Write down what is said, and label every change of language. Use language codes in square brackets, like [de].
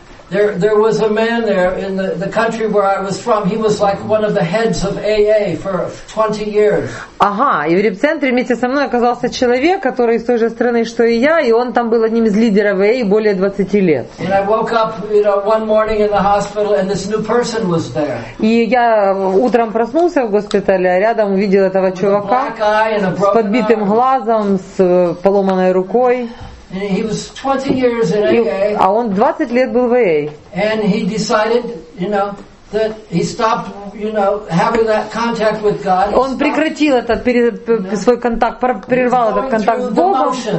[en] There was a man there in the country where I was from. He was like one of the heads of AA for 20 years. [ru] Ага, и в реп-центре вместе со мной оказался человек, который из той же страны, что и я, и он там был одним из лидеров AA более 20 лет. [en] And I woke up, you know, one morning in the hospital and this new person was there. [ru] И я утром проснулся в госпитале, а рядом увидел этого чувака с подбитым глазом, с поломанной рукой. [en] And he was 20 years in AA. [ru] А он 20 лет был в AA. [en] And he decided, you know, that he stopped, you know, having that contact with God. [ru] Он прекратил этот свой контакт, прервал этот контакт с Богом.